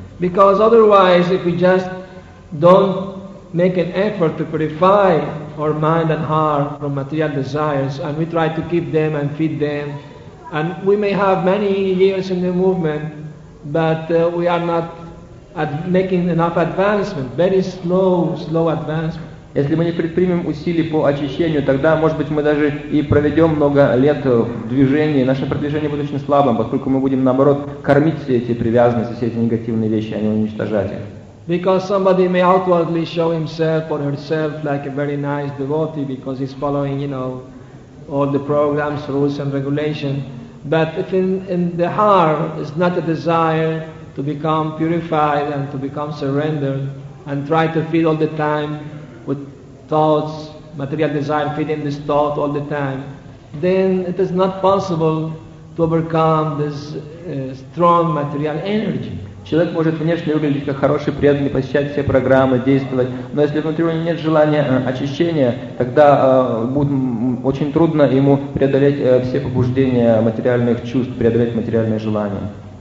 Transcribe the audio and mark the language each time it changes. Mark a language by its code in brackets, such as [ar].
[en] Because otherwise, if we just don't make an effort to purify our mind and heart from material desires, and we try to keep them and feed them, and we may have many years in the movement, but we are not making enough advancement, very slow advancement. [ru] Если мы не предпримем усилий по очищению, тогда, может быть, мы даже и проведем много лет в движении, наше продвижение будет очень слабым, поскольку мы будем, наоборот, кормить все эти привязанности, все эти негативные вещи, а не уничтожать их. [en] Because somebody may outwardly show himself or herself like a very nice devotee because he's following, you know, all the programs, rules and regulations. But if in the heart is not a desire to become purified and to become surrendered and try to feed all the time with thoughts, material desire, feeding this thought all the time, then it is not possible to overcome this strong material energy. [ru] Человек может внешне выглядеть как хороший, преданный, посещать все программы, действовать, но если внутри у него нет желания очищения, тогда будет очень трудно ему преодолеть все побуждения материальных чувств, преодолеть материальные желания.